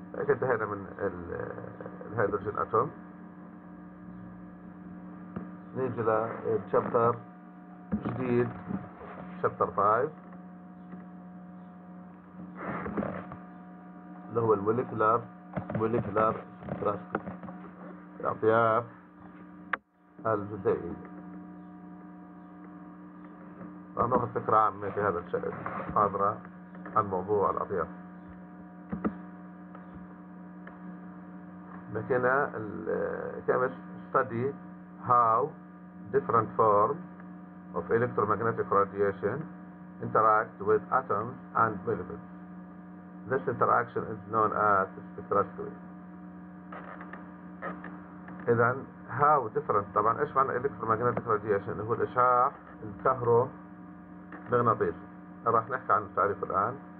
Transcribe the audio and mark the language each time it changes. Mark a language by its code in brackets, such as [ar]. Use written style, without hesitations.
[ar] انتهينا من الهيدروجين اتوم، نيجي لشابتر جديد شابتر 5 اللي هو المولكولار، مولكولار ستراكشر. يعطيك الجزيئية، أنا أخذ فكرة عامة في هذا الشكل حاضرة عن موضوع الأطياف. لكن الكيمس [en] study how different forms of electromagnetic radiation interact with atoms and molecules. This interaction is known as spectroscopy. [ar] إذا [en] how different [ar] طبعا إيش معنى [en] electromagnetic radiation [ar] هو الإشعاع الكهرومغناطيسي راح نحكي عن التعريف الآن.